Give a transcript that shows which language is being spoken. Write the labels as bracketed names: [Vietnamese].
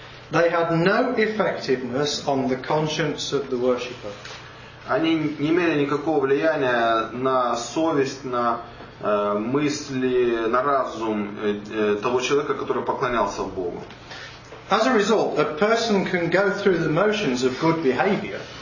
[English] They had no effectiveness on the conscience of the worshipper. [Russian] Они не имели никакого влияния на совесть, на мысли, на разум того человека, который поклонялся Богу. [English] As a result, a person can go through the motions of good behavior.